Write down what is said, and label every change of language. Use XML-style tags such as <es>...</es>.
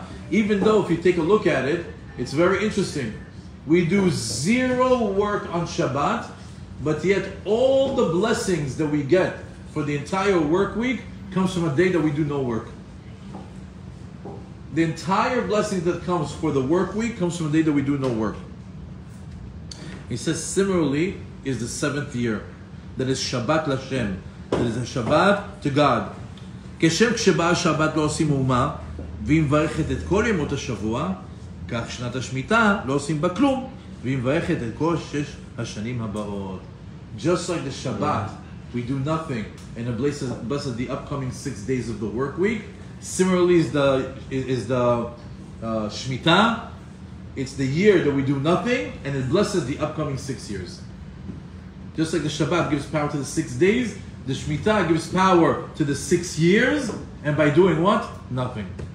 <en>Even though, if you take a look at it, it's very interesting. We do zero work on Shabbat, but yet all the blessings that we get for the entire work week comes from a day that we do no work. The entire blessing that comes for the work week comes from a day that we do no work. He says, similarly, is the seventh year. That is Shabbat Lashem. That is a Shabbat to God.</en> <he>כשם כשבאה שבת לא עושים אומה, והיא מברכת את כל ימות השבוע, כך שנת השמיטה לא עושים בה כלום, והיא מברכת את כל שש השנים הבאות.</he> <en>Just like the Shabbat, we do nothing, and it blesses the upcoming 6 days of the work week. Similarly is the Shemitah, it's the year that we do nothing, and it blesses the upcoming 6 years. Just like the Shabbat gives power to the 6 days, the Shemitah gives power to the 6 years, and by doing what? Nothing.</en>